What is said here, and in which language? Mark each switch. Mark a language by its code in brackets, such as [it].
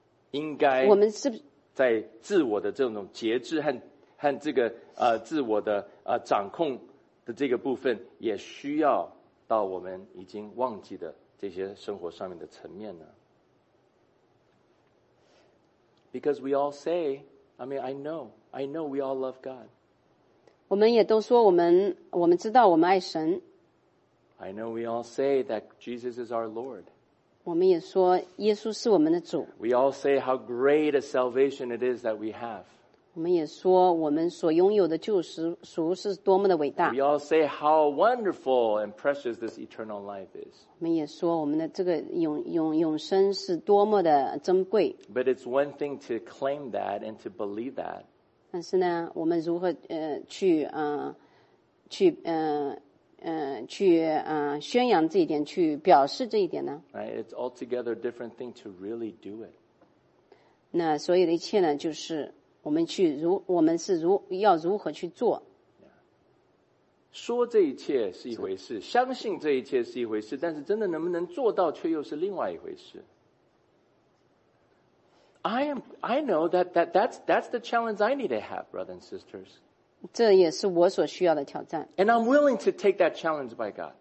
[zh] 应该我们是在自我的这种节制和这个自我的掌控的这个部分，也需要到我们已经忘记的这些生活上面的层面呢？ [en] Because we all say, I know we all love God. [zh] 我们也都说我们知道我们爱神。 [en] I know we all say that Jesus is our Lord. [zh] 我们也说耶稣是我们的主。 [en] We all say how great a salvation it is that we have. [zh] 我们也说我们所拥有的救赎是多么的伟大。 [en] We all say how wonderful and precious this eternal life is. [zh] 我们也说我们的这个永生是多么的珍贵。 [en] But it's one thing to claim that and to believe that. [zh] 但是呢，我们如何宣扬这一点，去表示这一点呢？ [en] Right, it's altogether a different thing to really do it. [zh] 那所有的一切呢，就是我们是要如何去做？说这一切是一回事，相信这一切是一回事，但是真的能不能做到却又是另外一回事。 [en] I know that's the challenge I need to have, brothers and sisters. [zh] 这也是我所需要的挑战。 [en] And I'm willing to take that challenge by God.